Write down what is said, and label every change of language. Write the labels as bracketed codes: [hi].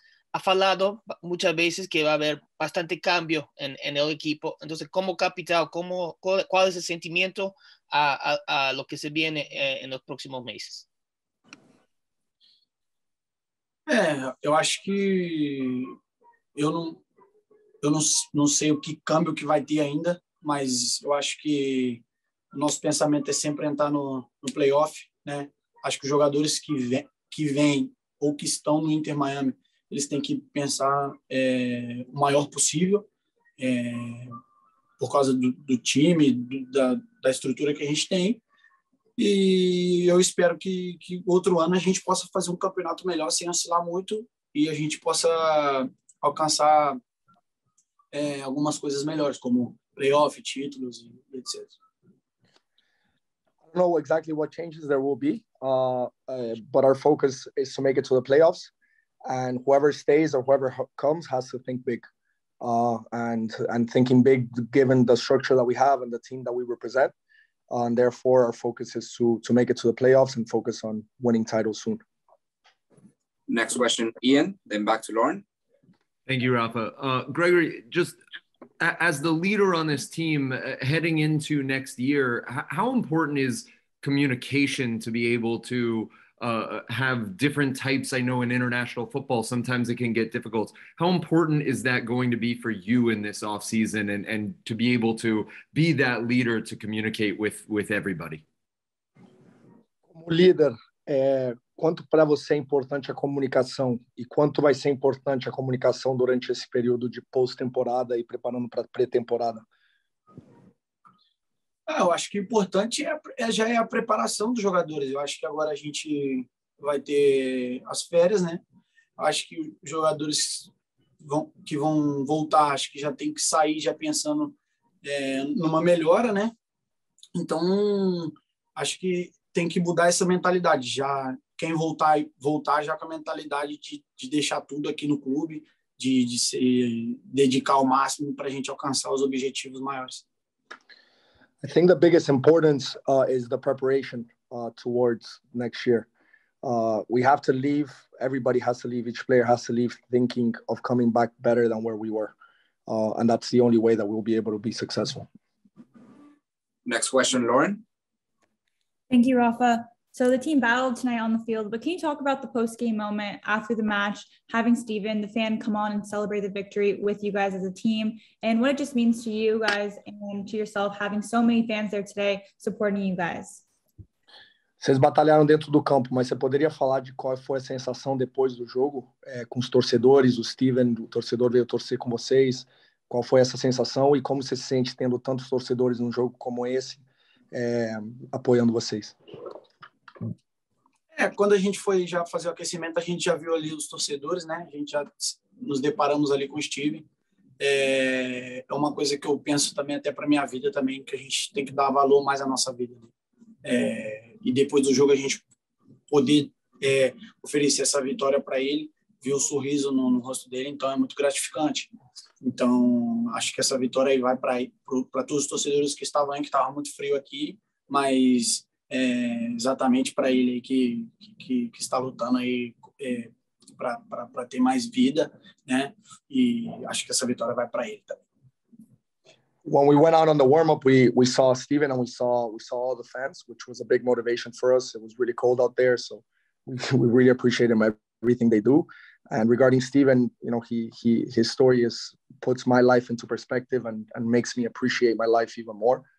[es] ha falado muchas veces que va a haber bastante cambio en el equipo. Entonces, como capitán, ¿cuál es el sentimiento a lo que se viene en los próximos meses? [pt] Yo acho que [es] yo no sé [pt] o que cambio que va a ter ainda, mas eu acho que nosso pensamento é sempre entrar no playoff, né? Acho que os jogadores que vêm ou que estão no Inter Miami, eles têm que pensar o maior possível, por causa do time, da estrutura que a gente tem. E eu espero que outro ano a gente possa fazer um campeonato melhor sem oscilar muito e a gente possa alcançar algumas coisas melhores, como playoff, títulos, etc. [en] I don't know exactly what changes there will be, but our focus is to make it to the playoffs. And whoever stays or whoever comes has to think big. And thinking big, given the structure that we have and the team that we represent. And therefore, our focus is to make it to the playoffs and focus on winning titles soon. Next question, Ian, then back to Lauren. Thank you, Rafa. Gregory, just as the leader on this team heading into next year, how important is communication to be able to have different types? I know in international football, sometimes it can get difficult. How important is that going to be for you in this offseason and to be able to be that leader to communicate with everybody? [pt] como líder, quanto para você é importante a comunicação e quanto vai ser importante a comunicação durante esse período de pós-temporada e preparando para pré-temporada? Ah, eu acho que o importante é a preparação dos jogadores. Eu acho que agora a gente vai ter as férias, né? Eu acho que os jogadores que vão voltar, acho que já tem que sair já pensando numa melhora, né? Então, acho que tem que mudar essa mentalidade. Já quem voltar já com a mentalidade de deixar tudo aqui no clube, de se dedicar ao máximo para a gente alcançar os objetivos maiores. [en] I think the biggest importance is the preparation towards next year. We have to leave, everybody has to leave, each player has to leave thinking of coming back better than where we were. And that's the only way that we'll be able to be successful. Next question, Lauren. Thank you, Rafa. So the team battled tonight on the field, but can you talk about the post-game moment after the match, having Steven, the fan, come on and celebrate the victory with you guys as a team, and what it just means to you guys and to yourself having so many fans there today supporting you guys? [pt] Vocês batalharam dentro do campo, mas você poderia falar de qual foi a sensação depois do jogo com os torcedores, o Steven, o torcedor veio torcer com vocês, qual foi essa sensação e como você se sente tendo tantos torcedores num jogo como esse apoiando vocês? Quando a gente foi já fazer o aquecimento, a gente já viu ali os torcedores, né? A gente já nos deparamos ali com o Steven. É uma coisa que eu penso também até para minha vida também, que a gente tem que dar valor mais à nossa vida. E depois do jogo a gente poder oferecer essa vitória para ele, ver o sorriso no rosto dele, então é muito gratificante. Então acho que essa vitória aí vai para todos os torcedores que estavam aí, que estava muito frio aqui, mas exatamente para ele aí que está lutando aí para ter mais vida, né? E acho que essa vitória vai para ele também. [en] When we went out on the warm-up, we saw Steven and we saw all the fans, which was a big motivation for us. It was really cold out there, so we really appreciate him, everything they do. And regarding Steven, you know, his story puts my life into perspective and makes me appreciate my life even more.